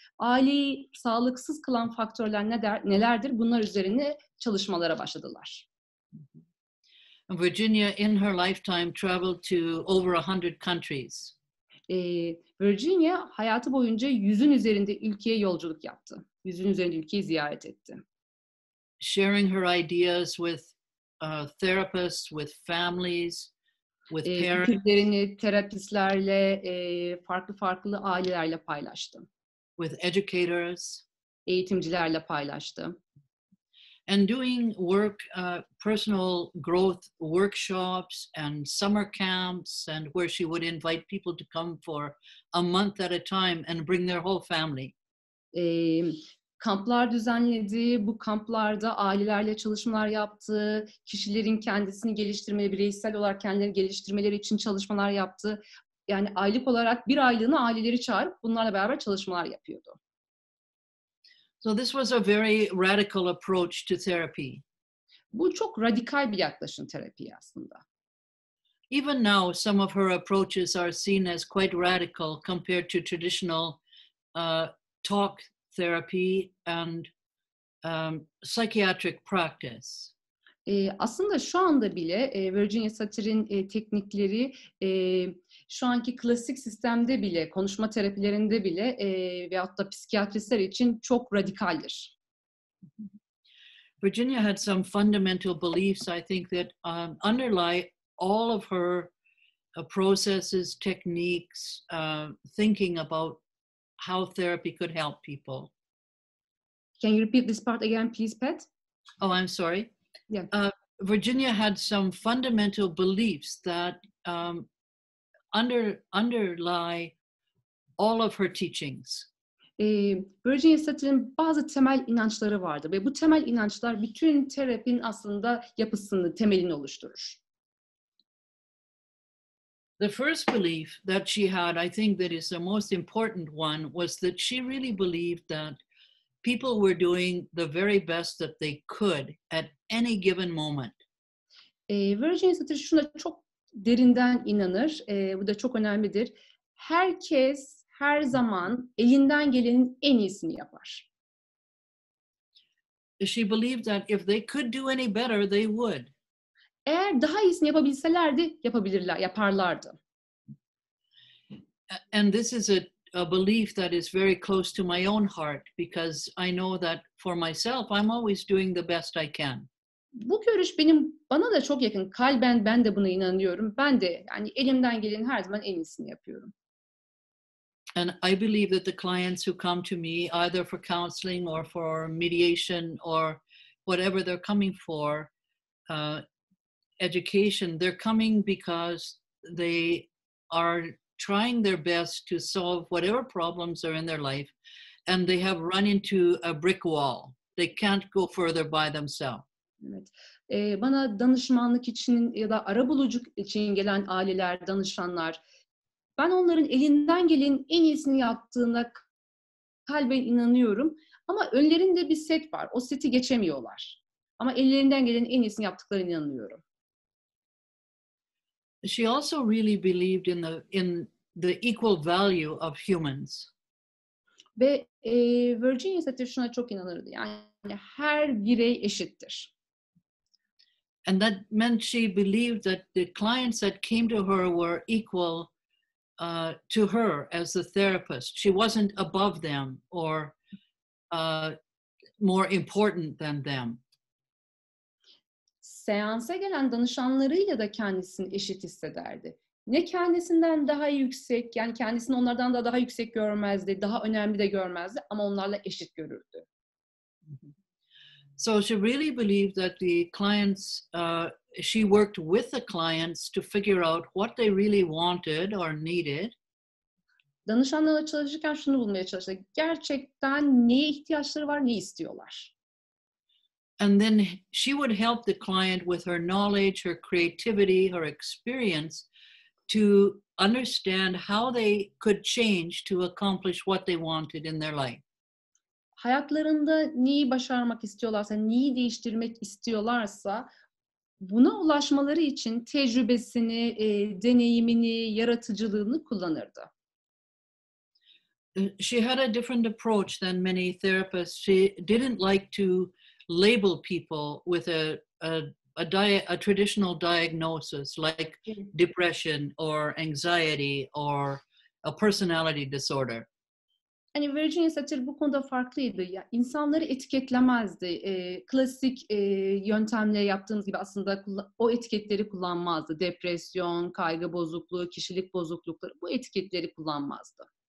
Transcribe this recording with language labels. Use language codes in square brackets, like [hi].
[tr] Aileyi sağlıksız kılan faktörler nelerdir? Bunlar üzerine çalışmalara başladılar. [en] Virginia in her lifetime traveled to over 100 countries. [tr] Virginia hayatı boyunca 100'ün üzerinde ülkeye yolculuk yaptı. Yüzün üzerinde ülkeyi ziyaret etti. [en] Sharing her ideas with therapists, with families, with parents. [tr] Fikirlerini terapistlerle, farklı farklı ailelerle paylaştı. [en] With educators. [tr] Eğitimcilerle paylaştı. [en] And doing work, personal growth workshops and summer camps, and where she would invite people to come for a month at a time and bring their whole family. [tr] Kamplar düzenledi, bu kamplarda ailelerle çalışmalar yaptı, kişilerin kendisini geliştirmeye, bireysel olarak kendilerini geliştirmeleri için çalışmalar yaptı. Yani aylık olarak bir aylığını aileleri çağırıp bunlarla beraber çalışmalar yapıyordu. [en] So this was a very radical approach to therapy. [tr] Bu çok radikal bir yaklaşım terapiye aslında. [en] Even now some of her approaches are seen as quite radical compared to traditional talk therapy and psychiatric practice. [tr] Aslında şu anda bile Virginia Satir'in teknikleri şu anki klasik sistemde bile, konuşma terapilerinde bile veyahut da psikiyatristler için çok radikaldir. [en] Virginia had some fundamental beliefs I think that underlie all of her processes, techniques, thinking about how therapy could help people. Can you repeat this part again, please, Pat? Oh, I'm sorry. Yeah. Virginia had some fundamental beliefs that underlie all of her teachings. [tr] Virginia Satir'in bazı temel inançları vardı ve bu temel inançlar bütün terapinin aslında yapısını, temelini oluşturur. [en] The first belief that she had, I think that is the most important one, was that she really believed that people were doing the very best that they could at any given moment. [tr] Virginia Satir şuna çok derinden inanır. Bu da çok önemlidir. herkes her zaman elinden gelenin en iyisini yapar. [en] She believed that if they could do any better, they would. [tr] Eğer daha iyisini yapabilselerdi, yaparlardı. [en] And this is a belief that is very close to my own heart because I know that for myself, I'm always doing the best I can. [tr] Bu görüş bana da çok yakın. Kalben ben de buna inanıyorum. Ben de yani elimden gelen her zaman en iyisini yapıyorum. [en] And I believe that the clients who come to me either for counseling or for mediation or whatever they're coming for, education, they're coming because they are trying their best to solve whatever problems are in their life and they have run into a brick wall. They can't go further by themselves. [tr] Evet. Bana danışmanlık için ya da arabuluculuk için gelen aileler, danışanlar, ben onların elinden gelenin en iyisini yaptığına kalben inanıyorum. Ama önlerinde bir set var. O seti geçemiyorlar. Ama ellerinden gelenin en iyisini yaptıklarına inanıyorum. [en] She also really believed in the equal value of humans. [tr] Ve Virginia Satir şuna çok inanırdı. Yani her birey eşittir. [en] And that meant she believed that the clients that came to her were equal to her as the therapist. She wasn't above them or more important than them. [tr] Seansa gelen danışanlarıyla da kendisini eşit hissederdi. Ne kendisinden daha yüksek, yani kendisini onlardan da daha yüksek görmezdi, daha önemli de görmezdi ama onlarla eşit görürdü. [en] So she really believed that the clients, she worked with the clients to figure out what they really wanted or needed. [tr] Danışanlarla çalışırken şunu bulmaya çalıştı. Gerçekten neye ihtiyaçları var, ne istiyorlar? [en] And then she would help the client with her knowledge, her creativity, her experience to understand how they could change to accomplish what they wanted in their life. [tr] Hayatlarında neyi başarmak istiyorlarsa, neyi değiştirmek istiyorlarsa, buna ulaşmaları için tecrübesini, deneyimini, yaratıcılığını kullanırdı. [en] She had a different approach than many therapists. She didn't like to label people with a traditional diagnosis like depression or anxiety or a personality disorder. [tr] Yani Virginia Satir bu konuda farklıydı. Yani insanları etiketlemezdi. Klasik yöntemle yaptığımız gibi aslında o etiketleri kullanmazdı. Depresyon, kaygı bozukluğu, kişilik bozuklukları bu etiketleri kullanmazdı.